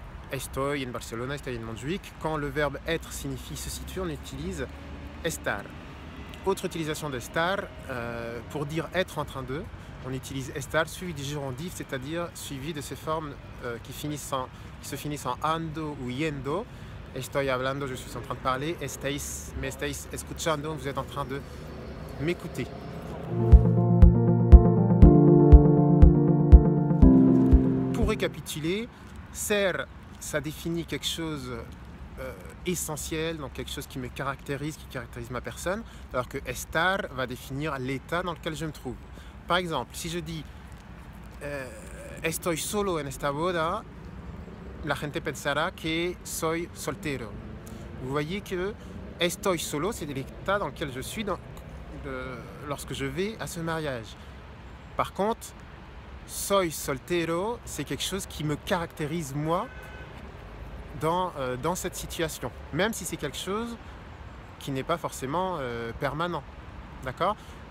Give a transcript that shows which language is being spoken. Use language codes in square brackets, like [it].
[es] Estoy en Barcelona, estoy en Montjuïc. [fr] Quand le verbe être signifie se situer, on utilise estar. Autre utilisation d'estar pour dire être en train de. On utilise estar suivi du gérondif, c'est-à-dire suivi de ces formes qui se finissent en ando ou yendo. [es] Estoy hablando, [fr] je suis en train de parler. [es] Estáis, me estáis escuchando, [fr] vous êtes en train de m'écouter. Pour récapituler, ser, ça définit quelque chose essentiel, donc quelque chose qui me caractérise, qui caractérise ma personne, alors que estar va définir l'état dans lequel je me trouve. Par exemple, si je dis [es] estoy solo en esta boda, la gente pensará que soy soltero. [fr] Vous voyez que [es] estoy solo, [fr] c'est l'état dans lequel je suis lorsque je vais à ce mariage. Par contre, [es] soy soltero, [fr] c'est quelque chose qui me caractérise moi dans cette situation, même si c'est quelque chose qui n'est pas forcément permanent. D'accord ?